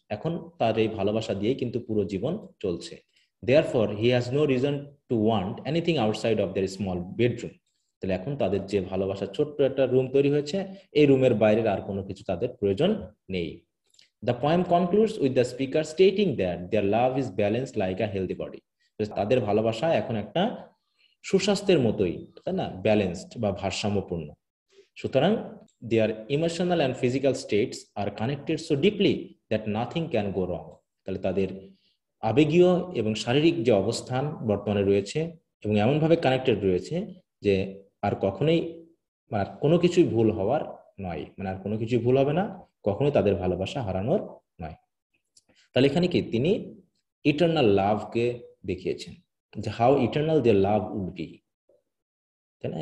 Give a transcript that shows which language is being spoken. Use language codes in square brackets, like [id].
[bn] এখন তার এই ভালোবাসা দিয়েই কিন্তু পুরো জীবন চলছে। [en] Therefore, he has no reason to want anything outside of their small bedroom. [bn] তাহলে এখন তাদের যে ভালোবাসা ছোট্ট একটা রুম তৈরি হয়েছে, এই রুমের বাইরের আর কোনো কিছু তাদের প্রয়োজন নেই। [en] The poem concludes with the speaker stating that their love is balanced like a healthy body. [bn] তাদের ভালোবাসা এখন একটা সুস্বাস্থ্যের মতোই, তাই না, ব্যালেন্সড বা ভারসাম্যপূর্ণ। [en] সুতরাং their emotional and physical states are connected so deeply that nothing can go wrong. [bn] তাহলে তাদের আবেগীয় এবং শারীরিক যে অবস্থান বর্তমানে রয়েছে এবং এমনভাবে কানেক্টেড রয়েছে যে আর কখনোই আর কোনো কিছুই ভুল হওয়ার নয়, মানে আর কোনো কিছুই ভুল হবে না, কখনোই তাদের ভালোবাসা হারানোর নয়। তাহলে এখানে কি তিনি ইটার্নাল লাভকে দেখিয়েছেন, যে [en] how eternal their love would be, [bn] তাই না?